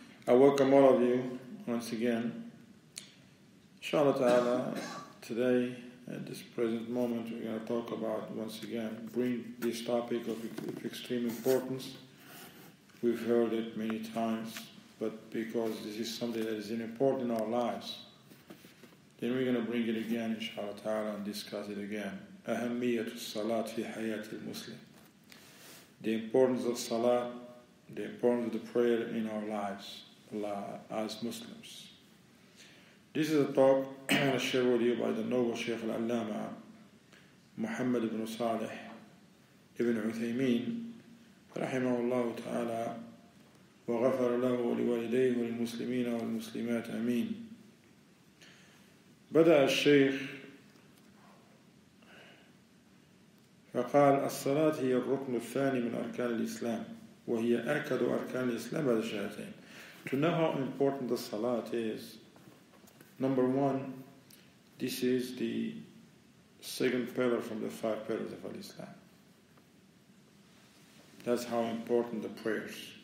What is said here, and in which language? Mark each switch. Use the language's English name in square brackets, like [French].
[English] I welcome all of you once again. Inshallah ta'ala, today at this present moment we're going to talk about once again, bring this topic of extreme importance. We've heard it many times, but because this is something that is important in our lives, then we're going to bring it again, inshallah ta'ala, and discuss it again. [Arabic] أهمية الصلاة في حياة المسلم. [English] The importance of salat, the importance of the prayer in our lives, as Muslims. This is a talk I share with you by the noble Shaykh al-Allama, Muhammad ibn Salih ibn Uthaymeen, [Arabic] رحمه الله تعالى وغفر له ولوالديه وللمسلمين والمسلمات أمين. بدأ الشيخ فقال الصلاة هي الركن الثاني من أركان الإسلام وهي أكد أركان الإسلام بعد الشهادتين. [English] To know how important the salat is, number one, this is the second pillar from the five pillars of Islam. That's how important the prayers.